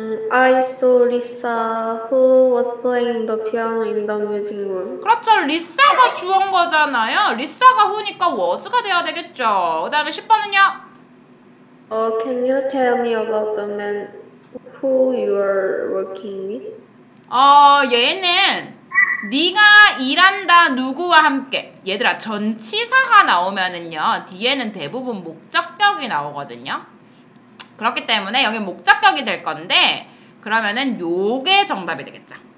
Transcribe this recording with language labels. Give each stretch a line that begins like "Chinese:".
English: I saw Lisa who was playing the piano in the music room.
Korean: 그렇죠. 리사가 주어인 거잖아요. 리사가 who니까 was가 돼야 되겠죠. 그 다음에 10번은요?
English: Can you tell me about the man who you are working with?
Korean: 얘는 네가 일한다 누구와 함께. 얘들아, 전치사가 나오면은요 뒤에는 대부분 목적격이 나오거든요. 그렇기 때문에 여기 목적격이 될 건데, 그러면은 요게 정답이 되겠죠.